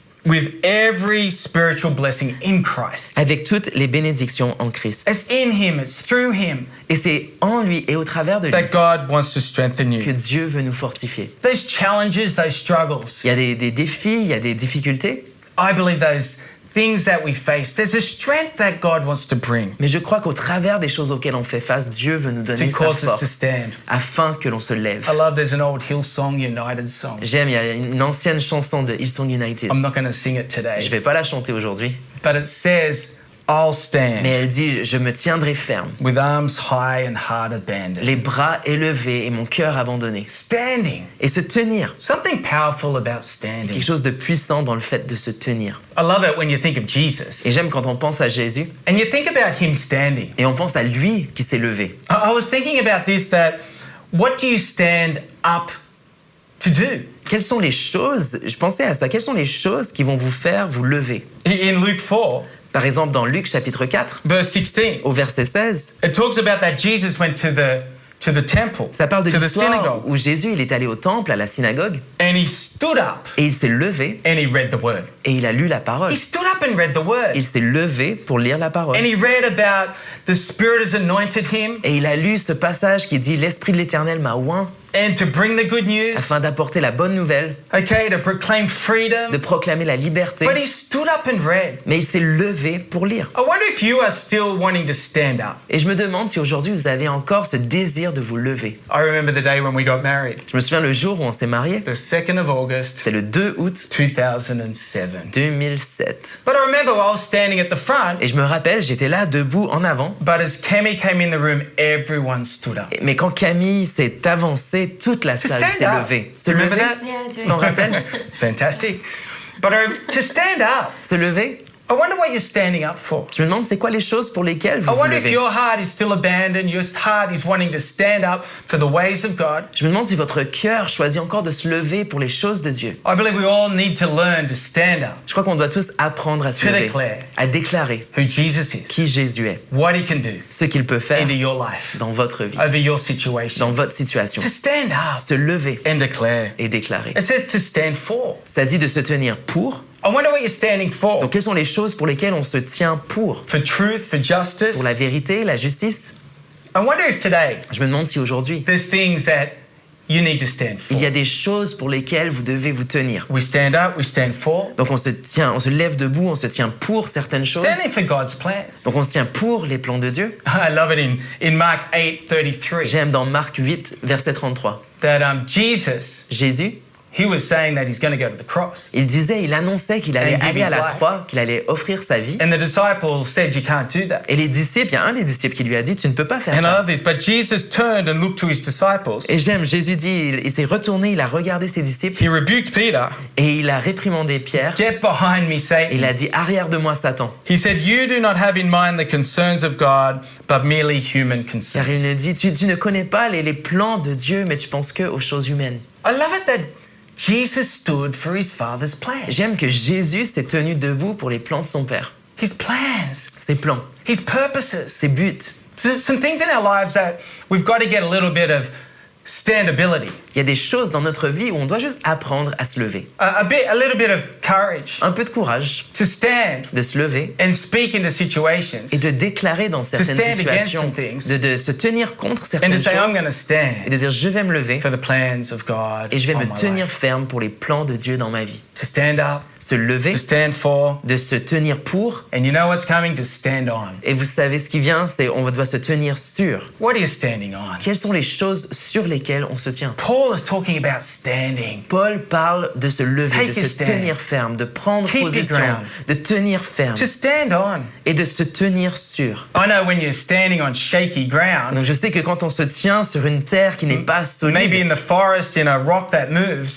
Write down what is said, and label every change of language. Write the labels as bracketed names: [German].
[English] With every spiritual blessing in Christ. [French] Avec toutes les bénédictions en Christ. [English] It's in him, it's through him. [French] Et c'est en lui et au travers de lui [English] that God wants to strengthen you. [French] Que Dieu veut nous fortifier. [English] Those challenges, those struggles. [French] Il y a des défis, il y a des difficultés. [English] I believe those things that we face, there's a strength that God wants to bring. [French] Mais je crois qu'au travers des choses auxquelles on fait face, Dieu veut nous donner sa force. [English] To cause us to stand. [French] Afin que l'on se lève. [English] I love there's an old Hillsong United song. [French] J'aime, il y a une ancienne chanson de Hillsong United. [English] I'm not going to sing it today. [French] Je vais pas la chanter aujourd'hui. [English] But it says, I'll stand. [French] Mais elle dit, je me tiendrai ferme. [English] With arms high and heart abandoned. [French] Les bras élevés et mon cœur abandonné. [English] Standing. [French] Et se tenir. [English] Something powerful about standing. [French] Quelque chose de puissant dans le fait de se tenir. [English] I love it when you think of Jesus. [French] Et j'aime quand on pense à Jésus. [English] And you think about him standing. [French] Et on pense à lui qui s'est levé. [English] I was thinking about this, that what do you stand up to do? [French] Quelles sont les choses, je pensais à ça, quelles sont les choses qui vont vous faire vous lever? [English] In Luke 4. [French] Par exemple, dans Luc chapitre 4, [English] Verse 16, [French] au verset 16, [English] it talks about that Jesus went to the temple, [French] ça parle de [English] to [French] l'histoire où Jésus il est allé au temple, à la synagogue, [English] and he stood up, [French] et il s'est levé [English] and he read the word. [French] Et il a lu la parole. [English] He stood up and read the word. [French] Il s'est levé pour lire la parole. [English] And he read about the Spirit has anointed him, [French] et il a lu ce passage qui dit « L'Esprit de l'Éternel m'a oint ». [English] And to bring the good news, [French] afin d'apporter la bonne nouvelle, [English] okay, to proclaim freedom, [French] de proclamer la liberté, [English] but he stood up and read. [French] Mais il s'est levé pour lire. [English] I wonder if you are still wanting to stand up. [French] Et je me demande si aujourd'hui vous avez encore ce désir de vous lever. [English] I remember the day when we got married. [French] Je me souviens le jour où on s'est marié. [English] The 2nd of August. [French] C'est le 2 août 2007. [English] But I remember while standing at the front. [French] Et je me rappelle, j'étais là debout en avant. [English] But as Camille came in the room, everyone stood up. [French] Mais quand Camille s'est avancée, toute la salle s'est levée. Se lever, tu t'en rappelles? [English] Fantastic. But to stand up. [French] Se lever. [English] I wonder what you're standing up for. [French] Je me demande c'est quoi les choses pour lesquelles vous [English] I wonder if your heart is still abandoned, your heart is wanting to stand up for the ways of God. [French] Je me demande si votre cœur choisit encore de se lever pour les choses de Dieu. [English] I believe we all need to learn to stand up. [French] Je crois qu'on doit tous apprendre à se lever. [English] To declare. [French] À déclarer. [English] Who Jesus is. [French] Qui Jésus est. [English] What he can do. [French] Ce qu'il peut faire. [English] Into your life. [French] Dans votre vie. [English] Over your situation. [French] Dans votre situation. [English] To stand up. [French] Se lever. [English] And declare. [French] Et déclarer. [English] It says to stand for. [French] Ça dit de se tenir pour. [English] I wonder what you're standing for. [French] Donc, quelles sont les choses pour lesquelles on se tient pour? [English] For truth, for justice. [French] Pour la vérité, la justice. [English] I wonder if today. [French] Je me demande si aujourd'hui. [English] There's things that you need to stand for. [French] Il y a des choses pour lesquelles vous devez vous tenir. [English] We stand up, we stand for. [French] Donc, on se lève debout, on se tient pour certaines choses. [English] Standing for God's plans. [French] Donc, on se tient pour les plans de Dieu. [English] I love it in Mark 8:33. [French] J'aime dans Marc 8, verset 33. [English] That Jesus. [French] Jésus. [English] He was saying that he's going to go to the cross. [French] Il disait, il annonçait qu'il allait aller à la croix, qu'il allait offrir sa vie. [English] And the disciples said, you can't do that. [French] Et les disciples, il y a un des disciples qui lui a dit, tu ne peux pas faire ça. [English] And I love this, but Jesus turned and looked to his disciples. [French] Et j'aime, Jésus dit, il s'est retourné, il a regardé ses disciples. [English] He rebuked Peter. [French] Et il a réprimandé Pierre. [English] Get behind me, Satan. [French] Il a dit, arrière de moi, Satan. [English] He said, you do not have in mind the concerns of God, but merely human concerns. [French] Car il a dit, tu ne connais pas les plans de Dieu, mais tu penses que aux choses humaines. [English] I love it that Jesus stood for his father's plans. [French] J'aime que Jésus s'est tenu debout pour les plans de son père. [English] His plans. [French] Ses plans. [English] His purposes. [French] Ses buts. [English] Some things in our lives that we've got to get a little bit of standability. [French] Il y a des choses dans notre vie où on doit juste apprendre à se lever. [English] A little bit of courage. [French] Un peu de courage. [English] To stand. [French] De se lever. [English] And speak into situations. [French] Et de déclarer dans certaines situations. [English] To stand against some things. [French] De se tenir contre certaines choses. [English] And to say I'm going to stand. [French] Et de dire je vais me lever. [English] For the plans of God. [French] Et je vais me tenir ferme pour les plans de Dieu dans ma vie. [English] To stand up. [French] se lever, [English] to stand for, [French] de se tenir pour. [English] And you know what's coming, to stand on. [French] Et vous savez ce qui vient, c'est on doit se tenir sur. [English] What are you standing on? [French] Quelles sont les choses sur lesquelles on se tient? [English] Paul is talking about standing. [French] Paul parle de se lever, [English] take [French] de se [English] stand, [French] tenir ferme, de prendre [English] keep [French] position, de tenir ferme, [English] to stand on, [French] et de se tenir sur. [English] I know when you're standing on shaky ground. [French] Donc je sais que quand on se tient sur une terre qui n'est pas solide, [English] maybe in the forest, in a rock that moves,